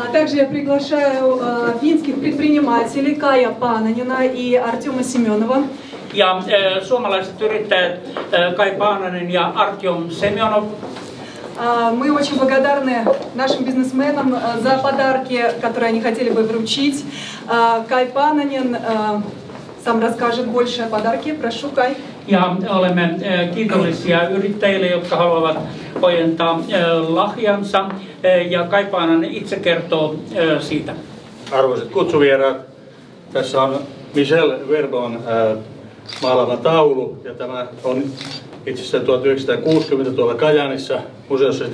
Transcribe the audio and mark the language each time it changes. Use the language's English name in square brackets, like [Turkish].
[Russian] Также я приглашаю финских предпринимателей Кая Пананина и Артема Семенова. [Finnish] Ja suomalaiset yrittäjät Kai Paananen ja Artyom Semyonov. [Russian] Мы очень благодарны нашим бизнесменам за подарки, которые они хотели бы вручить. Кай Пананен сам расскажет больше о подарке. Прошу, Кай. [Finnish] Ja olemme kiitollisia yrittäjille, jotka haluavat ojentaa lahjansa. Ja Kai Paananen itse kertoo siitä. Arvoisat kutsuvieraat, tässä on Michelle Verbon maalama taulu, ja tämä on itse asiassa 1960 tuolla Kajaanissa museossa.